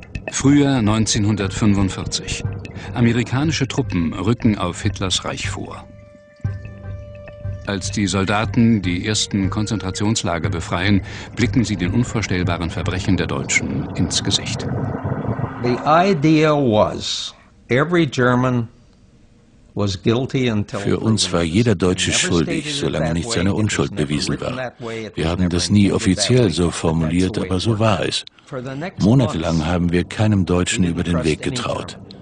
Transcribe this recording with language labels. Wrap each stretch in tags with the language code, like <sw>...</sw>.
<de>Frühjahr 1945. Amerikanische Truppen rücken auf Hitlers Reich vor. Als die Soldaten die ersten Konzentrationslager befreien, blicken sie den unvorstellbaren Verbrechen der Deutschen ins Gesicht.</de> <en>The idea was, every German was guilty until.</en> <de>Für uns war jeder Deutsche schuldig, solange nicht seine Unschuld bewiesen war. Wir haben das nie offiziell so formuliert, aber so war es. Monatelang haben wir keinem Deutschen über den Weg getraut.</de>